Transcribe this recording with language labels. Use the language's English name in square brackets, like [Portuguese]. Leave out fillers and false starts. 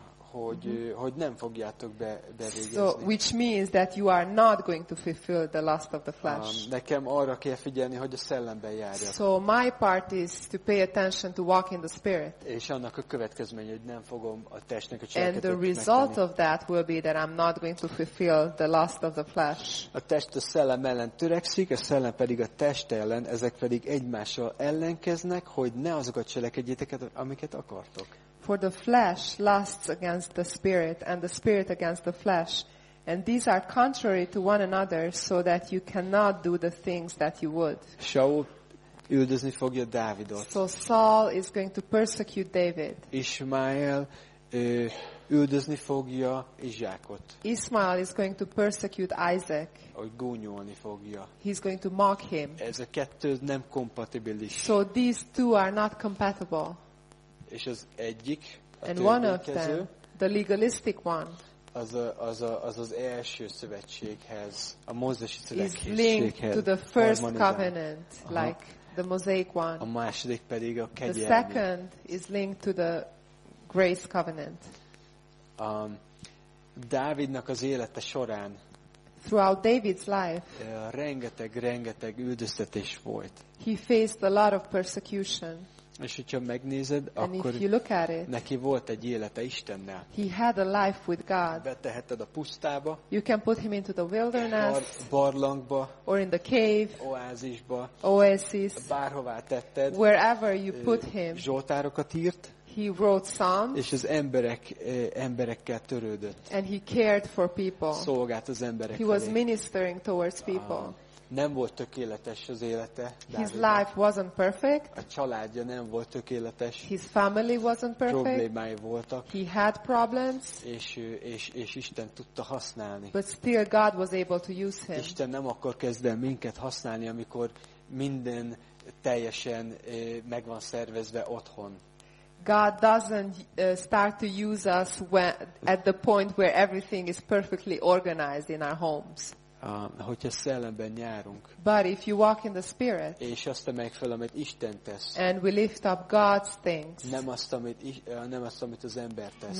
[Hungarian] Hogy hogy nem fogjátok bevégezni. [English] So which means that you are not going to fulfill the lust of the flesh. [Hungarian] Nekem arra kell figyelni, hogy a szellemben járjak. [English] So my part is to pay attention to walk in the spirit. [Hungarian] És annak a következménye, hogy nem fogom a testnek a cselekedetét. [English] And the result of that will be that I'm not going to fulfill the lust of the flesh. [Hungarian] A test a szellem ellen törekszik, a szellem pedig a test ellen, ezek pedig egymással ellenkeznek, hogy ne azokat cselekedjétek, amiket akartok. [English] For the flesh lusts against the spirit, and the spirit against the flesh, and these are contrary to one another, so that you cannot do the things that you would. [Hungarian] Saul üldözni fogja Dávidot. [English] So Saul is going to persecute David. [Hungarian] Ismael üldözni fogja Izsákot. [English] Ismael is going to persecute Isaac. [Hungarian] Hogy gúnyolni fogja. [English] He's going to mock him. [Hungarian] Ez a kettő nem kompatibilis. [English] So these two are not compatible. [Hungarian] És az egyik, a [English] and one of them, the legalistic one, [Hungarian] az első szövetséghez, a mózesi szövetséghez. [English] Is linked to the first covenant, like the Mosaic one. [Hungarian] A második pedig a kegyelmi. [English] The second is linked to the grace covenant. [Hungarian] Dávidnak az élete során. [English] Throughout David's life. [Hungarian] Rengeteg üldöztetés volt. [English] He faced a lot of persecution. [Hungarian] És hogyha megnézed, akkor neki volt egy élete Istennel. [English] He had a life with God. [Hungarian] Betteheted a pusztába. [English] You can put him into the wilderness. [Hungarian] Barlangba. [English] Or in the cave. [Hungarian] Oázisba. [English] Oasis. [Hungarian] Bárhová tetted. [English] Wherever you put him. [Hungarian] Zsoltárokat írt. [English] He wrote psalms. [Hungarian] És az emberekkel törődött. [English] And he cared for people. [Hungarian] Szolgált az emberek felé. [English] He was ministering towards people. [Hungarian] Nem volt tökéletes az élete. [English] His life wasn't perfect. [Hungarian] A családja nem volt tökéletes. [English] His family wasn't perfect. [Hungarian] Problémái voltak. [English] He had problems. [Hungarian] És Isten tudta használni. [English] But still God was able to use him. [Hungarian] Isten nem akkor kezd el minket használni, amikor minden teljesen meg van szervezve otthon. [English] God doesn't start to use us at the point where everything is perfectly organized in our homes. [Hungarian] Hogyha szellemben járunk. [English] But if you walk in the spirit. [Hungarian] És azt emeljük fel, amit Isten tesz. [English] And we lift up God's things. [Hungarian] Nem azt, amit az ember tesz.